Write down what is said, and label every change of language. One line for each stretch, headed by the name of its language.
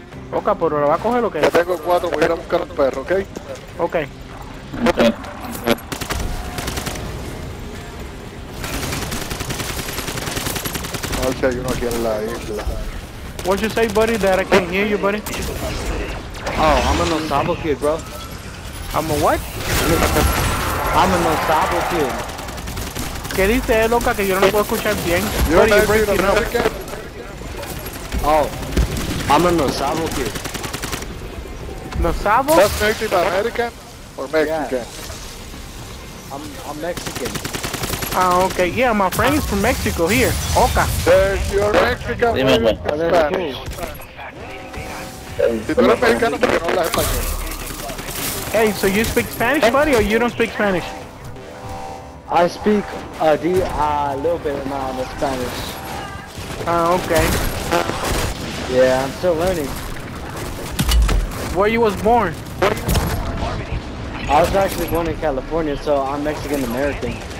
Spanish: Oca, pero lo va a coger o qué? Ya tengo 4, voy a ir a buscar al perro, ¿ok? Ok. A ver si hay uno aquí en la isla.
English: What did you say, buddy, that I can hear you, buddy? Oh, I'm a Nosavo kid, bro. I'm a what? I'm a Nosavo kid.
Spanish: ¿Qué dice él, loca, que yo no lo puedo escuchar bien?
English: You're buddy, you're breaking up. Oh. I'm a Nosavo kid. Nosavo? That's Native American or Mexican? Yeah. I'm Mexican. Ah, okay. Yeah, my friend is from Mexico here. Oka. There's your Mexican friend.
Spanish: Dime,
English: Spanish.
Spanish: Si tú eres mexicano, ¿por qué no hablas español?
English: Hey, so you speak Spanish, buddy, or you don't speak Spanish? I speak a little bit now in Spanish. Ah, okay. Yeah, I'm still learning. Where you was born? I was actually born in California, so I'm Mexican American.